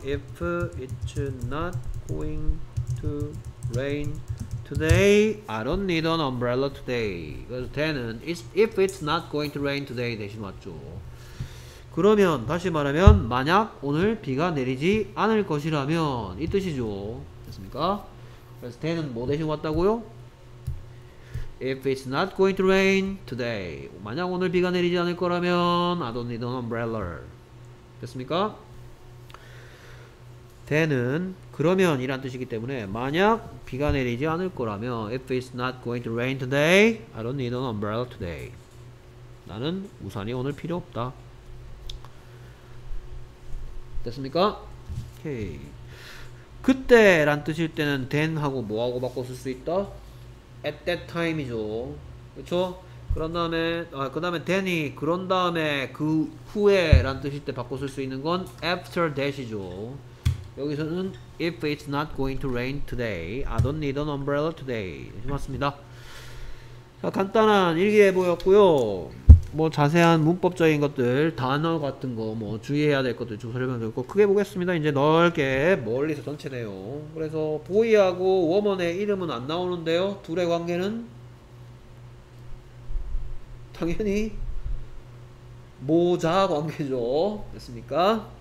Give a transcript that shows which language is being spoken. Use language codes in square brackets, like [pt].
[en] If it's not going to rain today, I don't need an umbrella today. [ko] 그래서 then은 [en] if it's not going to rain today [ko] 대신 왔죠. 그러면, 다시 말하면 만약 오늘 비가 내리지 않을 것이라면 이 뜻이죠. 됐습니까? 그래서 then은 뭐 대신 왔다고요? [en] If it's not going to rain today, [ko] 만약 오늘 비가 내리지 않을 거라면 [en] I don't need an umbrella. [ko] 됐습니까? then은 그러면 이란 뜻이기 때문에 만약 비가 내리지 않을 거라면 [en] if it's not going to rain today, I don't need an umbrella today. [ko] 나는 우산이 오늘 필요 없다. 됐습니까? 오케이. 그때 란 뜻일 때는 then하고 뭐하고 바꿔 쓸 수 있다? at that time이죠. 그쵸? 그런 다음에, 아, 그 다음에 then이 그런 다음에 그 후에 란 뜻일 때 바꿔 쓸 수 있는 건 after that이죠. 여기서는 [en] if it's not going to rain today, I don't need an umbrella today. [ko] 맞습니다. 자, 간단한 일기예보였고요. 뭐 자세한 문법적인 것들, 단어 같은 거 뭐 주의해야 될 것들 좀 설명드렸고 크게 보겠습니다. 이제 넓게 멀리서 전체네요. 그래서 보이하고 워먼의 이름은 안 나오는데요. 둘의 관계는 당연히 모자 관계죠. 됐습니까?